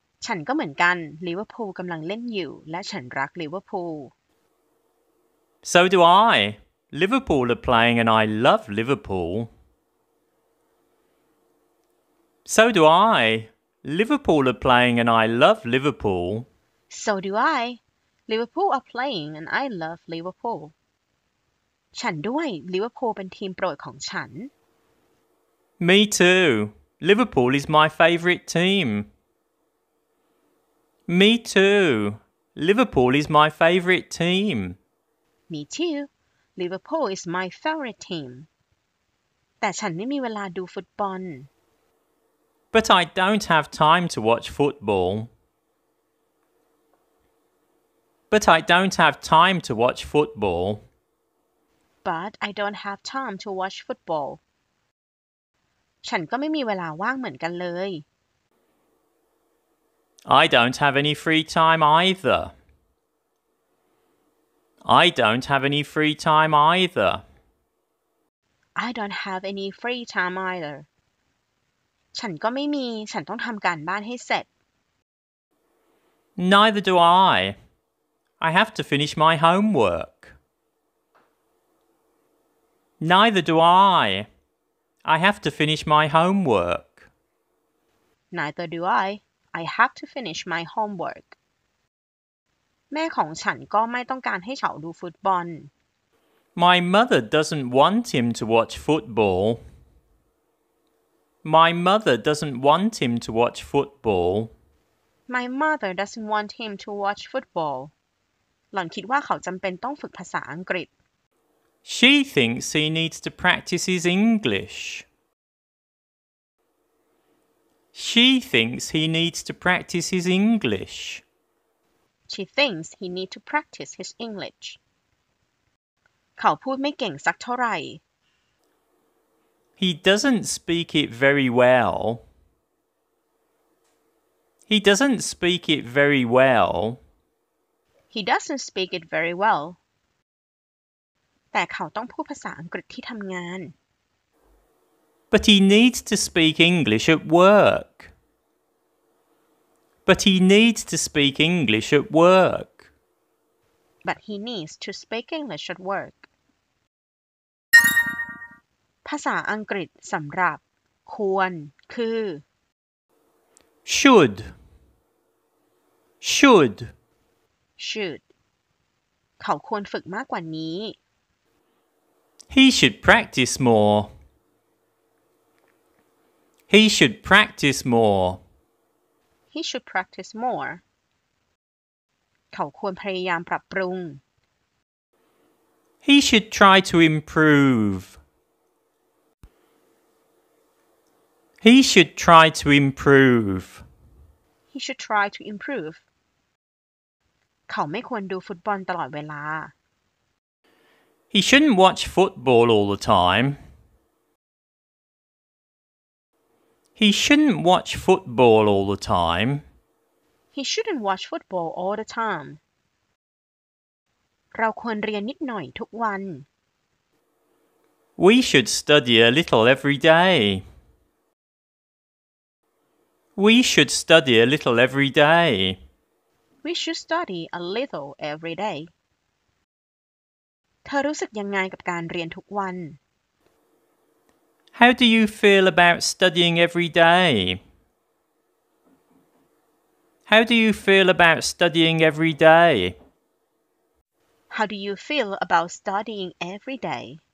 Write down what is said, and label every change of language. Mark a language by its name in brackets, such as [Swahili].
[Thai] ฉันก็เหมือนกันลิเวอร์พูลกำลังเล่นอยู่และฉันรักลิเวอร์พูล [English] So do I. Liverpool are playing and I love Liverpool. So do I. Liverpool are playing and I love Liverpool. So do I. Liverpool are playing and I love Liverpool. [Thai] ฉันด้วย Liverpool เป็นทีมโปรดของฉัน [English] Me too. Liverpool is my favorite team. Me too. Liverpool is my favorite team. Me too. Liverpool is my favorite team. [Thai] แต่ฉันไม่มีเวลาดูฟุตบอล [English] But I don't have time to watch football. But I don't have time to watch football. But I don't have time to watch football. [Thai] ฉันก็ไม่มีเวลาว่างเหมือนกันเลย [English] I don't have any free time either. I don't have any free time either. I don't have any free time either. [Thai] ฉันก็ไม่มีฉันต้องทำการบ้านให้เสร็จ [English] Neither do I. I have to finish my homework. Neither do I. I have to finish my homework. Neither do I. I have to finish my homework. [Thai] แม่ของฉันก็ไม่ต้องการให้เฉาดูฟุตบอล [English] My mother doesn't want him to watch football. My mother doesn't want him to watch football. My mother doesn't want him to watch football. [Thai] หล่อนคิดว่าเขาจำเป็นต้องฝึกภาษาอังกฤษ [English] She thinks he needs to practice his English. She thinks he needs to practice his English. She thinks he needs to practice his English. [Thai] เขาพูดไม่เก่งสักเท่าไหร่ [English] He doesn't speak it very well. He doesn't speak it very well. He doesn't speak it very well. [Thai] แต่เขาต้องพูดภาษาอังกฤษที่ทำงาน [English] But he needs to speak English at work. But he needs to speak English at work. But he needs to speak English at work. [Thai] ภาษาอังกฤษสำหรับควรคือ [English] should should should [Thai] เขาควรฝึกมากกว่านี้ [English] he should practice more he should practice more he should practice more [Thai] เขาควรพยายามปรับปรุง [English] he should try to improveHe should try to improve. He should try to improve. [Thai] เขาไม่ควรดูฟุตบอลตลอดเวลา [English] He shouldn't watch football all the time. He shouldn't watch football all the time. He shouldn't watch football all the time. [Thai] เราควรเรียนนิดหน่อยทุกวัน [English] We should study a little every day. We should study a little every day. We should study a little every day. [Thai] เธอรู้สึกยังไงกับการเรียนทุกวัน [English] How do you feel about studying every day? How do you feel about studying every day? How do you feel about studying every day?